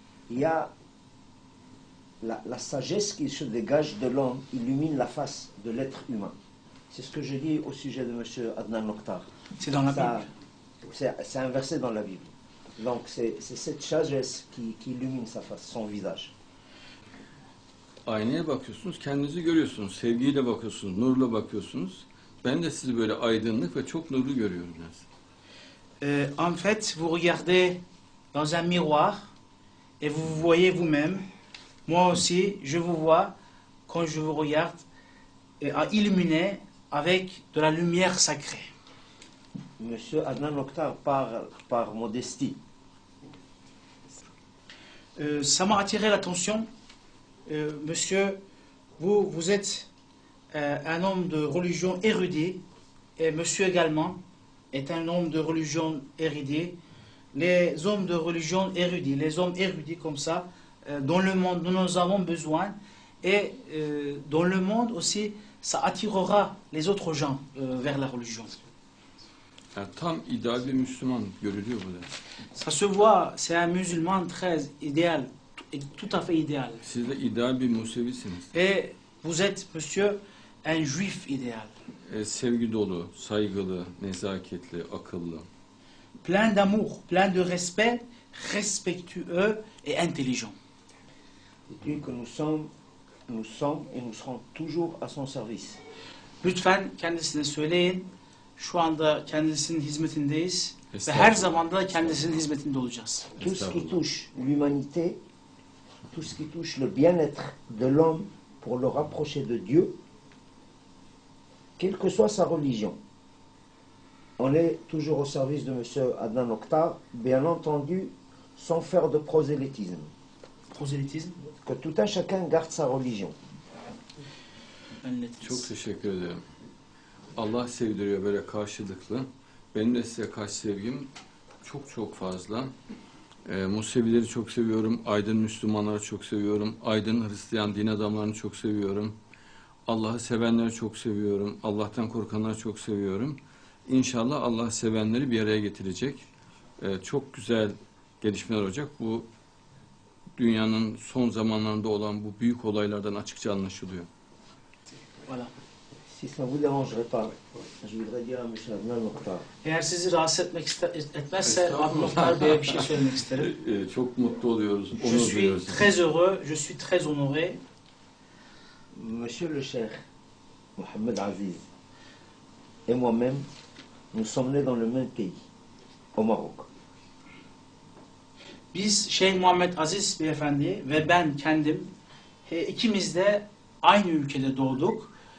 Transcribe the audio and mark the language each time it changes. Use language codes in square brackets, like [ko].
[fr] Il y a la sagesse qui se dégage de l'homme, illumine la face de l'être humain. C'est ce que je dis au sujet de M. Adnan Oktar. C'est dans la Bible. C'est un verset dans la Bible. Donc c'est cette sagesse qui illumine sa face, son visage. [tr] Aynaya bakıyorsunuz, kendinizi görüyorsunuz, sevgiyle bakıyorsunuz, nurla bakıyorsunuz. Ben de sizi böyle aydınlık ve çok nurlu görüyorum. [fr] En fait, vous regardez dans un miroir et vous voyez vous-même. Moi aussi, je vous vois quand je vous regarde et illuminé avec de la lumière sacrée. Monsieur Adnan Oktar parle par modestie. Ça m'a attiré l'attention. Monsieur, vous êtes un homme de religion érudit et monsieur également est un homme de religion érudit. Les hommes de religion érudit, les hommes érudits comme ça, dans le monde, dont nous avons besoin et dans le monde aussi, ça attirera les autres gens vers la religion. [tr] Tam ideal bir Müslüman görülüyor burada. [fr] Ça se voit, c'est un musulman très idéal, tout à fait idéal. [tr] Siz de ideal bir Musevisiniz. [fr] Et vous êtes, monsieur, un juif idéal. [tr] Sevgi dolu, saygılı, nezaketli, akıllı. [fr] Plein d'amour, plein de respect, respectueux et intelligent. Et que nous sommes et nous serons toujours à son service. [tr] Lütfen kendisine söyleyin. Şu anda kendisinin hizmetindeyiz ve her zaman da kendisinin hizmetinde olacağız. [fr] Tout ce qui touche l'humanité, tout ce qui touche le bien-être de l'homme pour le rapprocher de Dieu, quelle que soit sa religion, on est toujours au service de M. Adnan Oktar, bien entendu, sans faire de prosélytisme. Prosélytisme ? Que tout un chacun garde sa religion. [tr] Çok teşekkür ederim. Allah sevdiriyor böyle karşılıklı. Benim de size karşı sevgim çok çok fazla. Musevileri çok seviyorum, aydın Müslümanları çok seviyorum, aydın Hristiyan din adamlarını çok seviyorum. Allah'ı sevenleri çok seviyorum. Allah'tan korkanları çok seviyorum. İnşallah Allah sevenleri bir araya getirecek. Çok güzel gelişmeler olacak. Bu dünyanın son zamanlarında olan bu büyük olaylardan açıkça anlaşılıyor. [fr] Voilà. Si ça vous dérangerait pas, je voudrais dire à monsieur Adnan Mokhtar. [tr] Eğer sizi rahatsız etmek etmezse Adnan Mokhtar Bey'e bir şey söylemek isterim. Çok mutlu oluyoruz. [fr] Je suis très heureux, je suis très honoré. Monsieur le Cheikh Mohamed Aziz et moi-même, nous sommes nés dans le même pays, au Maroc. [tr] Biz Şeyh Muhammed Aziz Beyefendi ve ben kendim ikimiz de aynı ülkede doğduk.